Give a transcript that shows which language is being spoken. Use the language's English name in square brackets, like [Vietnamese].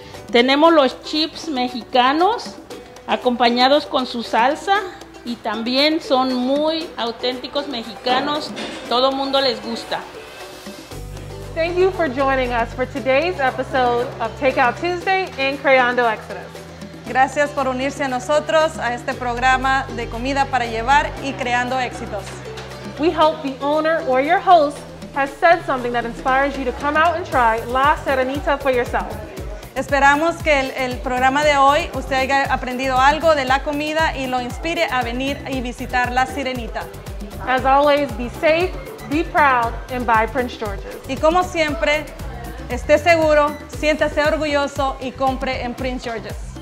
[Spanish] Tenemos los chips mexicanos acompañados con su salsa y también son muy auténticos mexicanos, todo mundo les gusta. [English] Thank you for joining us for today's episode of Takeout Tuesday in Creando Exodus. [Spanish] Gracias por unirse a nosotros a este programa de comida para llevar y creando éxitos. [English] We hope the owner or your host has said something that inspires you to come out and try La Sirenita for yourself. [Spanish] Esperamos que el programa de hoy usted haya aprendido algo de la comida y lo inspire a venir y visitar La Sirenita. [English] As always, be safe. Be proud and buy Prince George's. [Spanish] Y como siempre, esté seguro, siéntase orgulloso y compre en Prince George's.